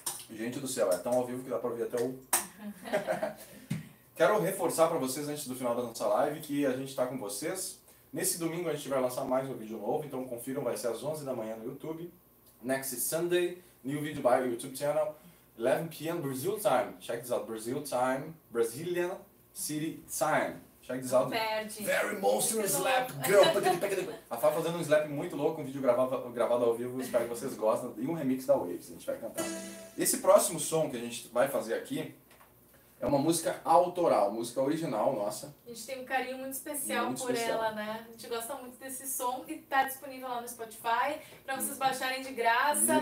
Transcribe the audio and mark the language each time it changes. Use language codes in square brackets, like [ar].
[pt] Gente do céu, é tão ao vivo que dá pra ouvir até o. Quero reforçar pra vocês antes do final da nossa live que a gente tá com vocês. Nesse domingo a gente vai lançar mais um vídeo novo, então confiram, vai ser às 11 da manhã no YouTube. [en] Next Sunday, new video by YouTube channel, 11 PM Brazil time. Check this out, Brazil time, Brazilian city time. Check this out. Very monster slap, girl. [pt] A Fá fazendo um slap muito louco, um vídeo gravado ao vivo, espero que vocês gostem. E um remix da Waves, a gente vai cantar. Esse próximo som que a gente vai fazer aqui é uma música autoral, música original nossa. A gente tem um carinho muito especial ela, né? A gente gosta muito desse som e tá disponível lá no Spotify pra vocês baixarem de graça.